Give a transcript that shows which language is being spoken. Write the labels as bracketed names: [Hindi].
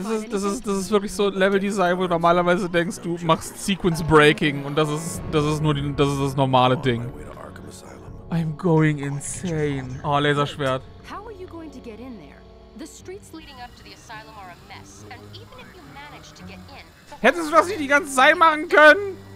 [German] Das ist wirklich so ein Level-Design, wo du normalerweise denkst, du machst Sequence-Breaking und das ist das normale Ding. [English] I'm going insane. Oh, Laserschwert. How are you going to get in there? The streets leading up to the asylum are a mess. And even if you manage to get in... [German] Hättest du das nicht die ganze Zeit machen können?